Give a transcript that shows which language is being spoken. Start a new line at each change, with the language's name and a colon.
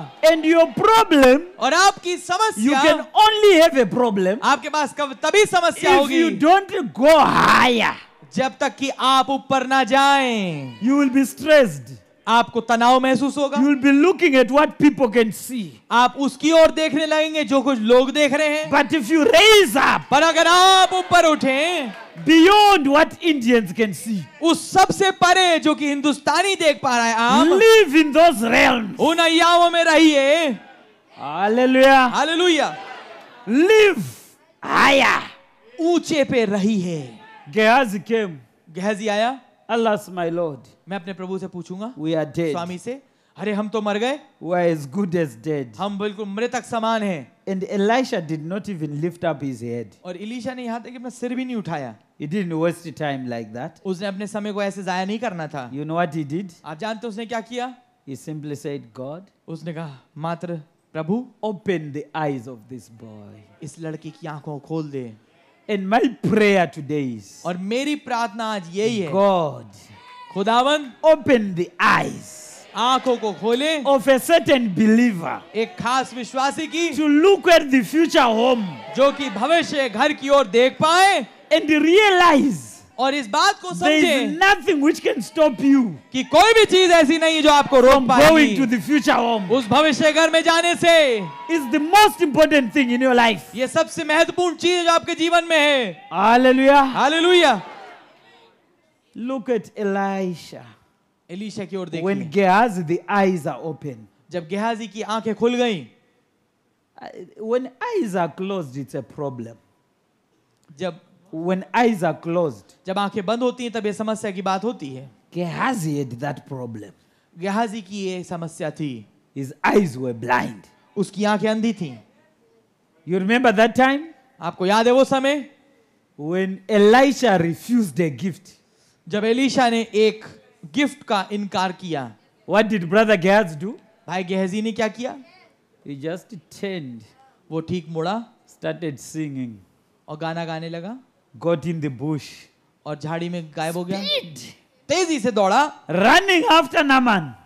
English: And your problem.
Hindi: और आपकी समस्या.
English: You can only have a problem.
Hindi: आपके पास कब तभी समस्या
English: if
Hindi: होगी.
English: If you don't go higher.
Hindi: जब तक कि आप ऊपर ना जाएं.
English: You will be stressed.
Hindi: आपको तनाव महसूस होगा.
English: You will be looking at what people can see.
Hindi: आप उसकी ओर देखने लगेंगे जो कुछ लोग देख रहे हैं.
English: But if you raise up.
Hindi: पर अगर आप ऊपर उठें.
English: Beyond what Indians can see.
Hindi: उस सबसे परे जो कि हिंदुस्तानी देख पा रहा है आप.
English: Live in those realms.
Hindi: उन अयामों में रहिए.
English: Hallelujah.
Hindi: Hallelujah.
English: Live higher.
Hindi: ऊंचे पे रहिए.
English: Gehazi came.
Hindi: Gehazi आया.
English: Alas, my Lord.
Hindi: मैं अपने प्रभु से पूछूंगा.
English: We are dead.
Hindi: स्वामी से. अरे हम तो मर गए.
English: We are as good as dead.
Hindi: हम बिल्कुल मृतक समान हैं.
English: And Elisha did not even lift up his head.
Hindi: और इलीशा ने यहाँ तक अपना सिर भी नहीं उठाया.
English: He didn't waste time like that.
Hindi: उसने अपने समय को ऐसे जाया नहीं करना था.
English: You know what he did?
Hindi: आप जानते हैं उसने क्या किया?
English: He simply said, God.
Hindi: उसने कहा, मात्र प्रभु.
English: Open the eyes of this boy.
Hindi: इस लड़की की आंखों को खोल दे.
English: And my prayer today is.
Hindi: और मेरी प्रार्थना आज यही है.
English: God.
Hindi: खुदावन.
English: Open the eyes.
Hindi: आंखों को खोले.
English: Of a certain believer.
Hindi: एक खास विश्वासी की.
English: To look at the future home.
Hindi: जो कि भविष्य घर की ओर देख पाए.
English: And realize.
Hindi: और इस बात को समझे.
English: There is nothing which can stop you.
Hindi: कि कोई भी चीज ऐसी नहीं जो आपको रोक पाए.
English: From going to the future home.
Hindi: उस भविष्य घर में जाने से.
English: Is the most important thing in your life.
Hindi: ये सबसे महत्वपूर्ण चीज जो आपके जीवन में है.
English: Hallelujah.
Hindi: Hallelujah.
English: Look at Elisha.
Hindi: Elisha की ओर देखिए.
English: When Gehazi the eyes are open.
Hindi: जब गेहाजी की आंखें खुल गईं.
English: When eyes are closed, it's a problem.
Hindi: जब
English: when eyes are closed.
Hindi: जब आंखें बंद होती हैं तब ये समस्या की बात होती है.
English: Gehazi had that problem.
Hindi: Gehazi की ये समस्या थी.
English: His eyes were blind.
Hindi: उसकी आंखें अंधी थीं.
English: You remember that time?
Hindi: आपको याद है वो समय?
English: When Elisha refused a gift.
Hindi: जब एलिशा ने एक गिफ्ट का इनकार किया.
English: What did brother Gehazi do?
Hindi: भाई गेहजी ने क्या किया?
English: He just turned.
Hindi: वो ठीक मुड़ा.
English: Started singing.
Hindi: और गाना गाने लगा.
English: Got in the bush.
Hindi: और झाड़ी में गायब हो गया.
English: Speed.
Hindi: तेजी से दौड़ा.
English: Running after Naaman.